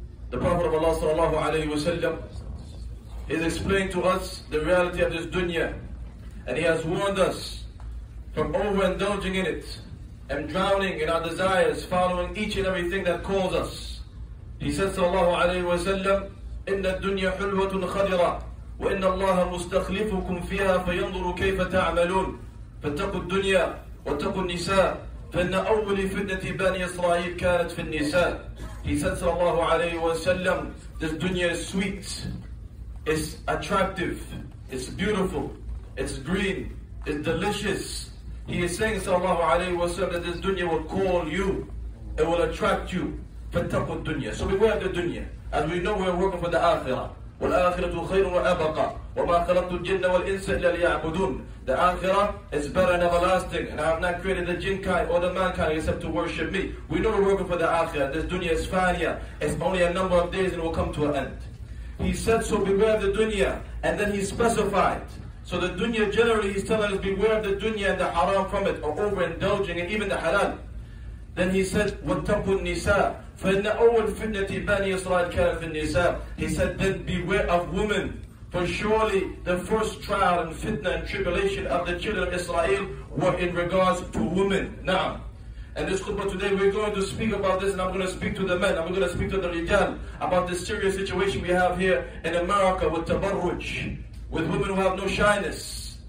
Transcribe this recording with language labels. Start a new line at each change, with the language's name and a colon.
English: The Prophet of Allah sallallahu alayhi wa sallam is explained to us the reality of this dunya and he has warned us from overindulging in it and drowning in our desires following each and everything that calls us.
Arabic: He says sallallahu alayhi wa sallam إِنَّ الدُّنْيَا حُلْوَةٌ خَدِرَةٌ وَإِنَّ اللَّهَ مُسْتَخْلِفُكُمْ فِيهَا فَيَنْظُرُ كَيْفَ تَعْمَلُونَ فَاتَّقُوا الدُّنْيَا وَاتَّقُوا النِّسَاءَ فَإِنَّ أَوَّلِ فِتْنَةِ بَنِي إِسْرَائِيلَ كَانَتْ فِي النِّسَاءِ
English: He said sallallahu alayhi wa sallam, this dunya is sweet, it's attractive, it's beautiful, it's green, it's delicious. He is saying sallallahu alayhi wa sallam that this dunya will call you, it will attract you.
Arabic: فَاتَّقُوا الدُّنْيَا
English: So beware of the dunya. As we know, we're working for the akhirah.
Arabic: وَالْآخِرَةُ خَيْرٌ وَأَبَقَى وَمَا خَلَقْتُ الْجِنَّ وَالْإِنسَ إِلَّا لِيَعْبُدُونَ
English: The akhirah is better and everlasting. And I have not created the jinn kind or the mankind except to worship me. We know we're working for the akhirah. This dunya is fania. It's only a number of days and it will come to an end. He said, so beware of the dunya. And then he specified. So the dunya generally, he's telling us, beware of the dunya and the haram from it, or overindulging, and even the halal. Then he said,
Arabic: وَاتَّقُوا النِّسَاء فَإِنَّ أَوَّلْ فِتْنَةِ بَنِي إِسْرَائِيلَ كَانَتْ فِي النِّسَاءِ
English: He said, then beware of women. For surely the first trial and fitna and tribulation of the children of Israel were in regards to women. Now, and this khutbah today, we're going to speak about this and I'm going to speak to the men. I'm going to speak to the rijal about this serious situation we have here in America with tabarruj, with women who have no shyness.